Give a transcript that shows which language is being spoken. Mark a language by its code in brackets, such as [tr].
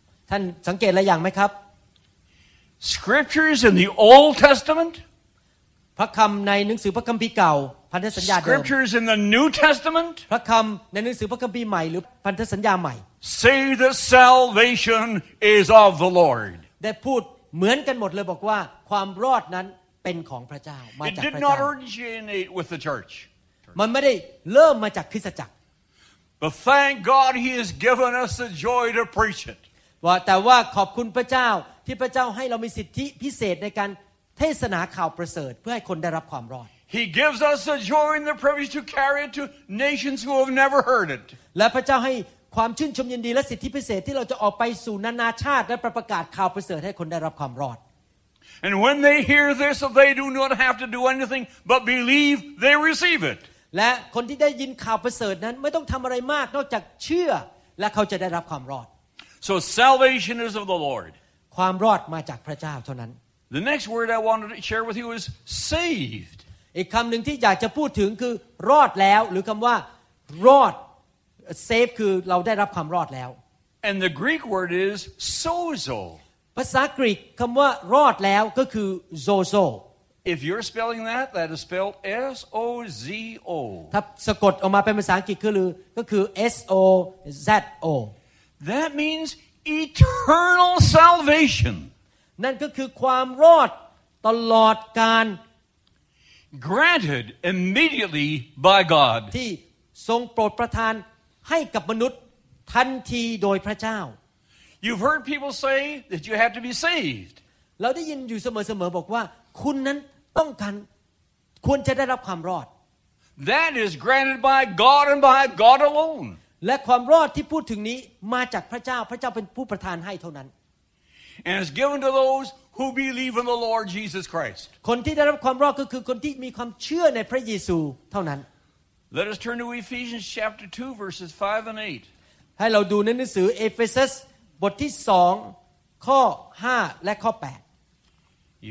[th] ท่านสังเกตอะไรอย่างไหมครับ [en] Scriptures in the Old Testament [th] พระคำในหนังสือพระคัมภีร์เก่าพันธสัญญาเดิม [en] Scriptures in the New Testament [th] พระคำในหนังสือพระคัมภีร์ใหม่หรือพันธสัญญาใหม่ [en] Say the salvation is of the Lord [th] ได้พูดเหมือนกันหมดเลยบอกว่าความรอดนั้นเป็นของพระเจ้ามาจากพระเจ้า [en] It did not originate with the church [th] มันไม่ได้เริ่มมาจากคริสตจักร [en] But thank God he has given us the joy to preach it [th] ว่าแต่ว่าขอบคุณพระเจ้าที่พระเจ้าให้เรามีสิทธิพิเศษในการเทศนาข่าวประเสริฐเพื่อให้คนได้รับความรอด [en] He gives us the joy and the privilege to carry it to nations who have never heard it [th] และพระเจ้าให้ความชื่นชมยินดีและสิทธิพิเศษที่เราจะออกไปสู่นานาชาติและประกาศข่าวประเสริฐให้คนได้รับความรอด [en] And when they hear this they do not have to do anything but believe they receive it [th] และคนที่ได้ยินข่าวประเสริฐนั้นไม่ต้องทำอะไรมากนอกจากเชื่อและเขาจะได้รับความรอด [en] So salvation is of the Lord [th] ความรอดมาจากพระเจ้าเท่านั้น [en] The next word I wanted to share with you is saved. [th] อีกคำหนึ่งที่อยากจะพูดถึงคือรอดแล้วหรือคำว่ารอด saved คือเราได้รับความรอดแล้ว [en] And the Greek word is sozo. [th] ภาษากรีกคำว่ารอดแล้วก็คือ zozo. [en] If you're spelling that, that is spelled S-O-Z-O. [th] ถ้าสะกดออกมาเป็นภาษาอังกฤษคือก็คือ S-O-Z-O. [en] That means eternal salvation. [th] นั่นก็คือความรอดตลอดกาล [en] granted immediately by God [th] ที่ทรงโปรดประทานให้กับมนุษย์ทันทีโดยพระเจ้า [en] You've heard people say that you have to be saved [th] เราได้ยินอยู่เสมอๆบอกว่าคุณนั้นต้องการควรจะได้รับความรอด [en] That is granted by God and by God alone [th] และความรอดที่พูดถึงนี้มาจากพระเจ้าพระเจ้าเป็นผู้ประทานให้เท่านั้น [en] And it's given to those who believe in the Lord Jesus Christ. [th] คนที่ได้รับความรอดก็คือคนที่มีความเชื่อในพระเยซูเท่านั้น [en] Let us turn to Ephesians chapter 2 verses 5 and 8. [th] ให้เราดูในหนังสือเอเฟซัสบทที่2ข้อ5และข้อ8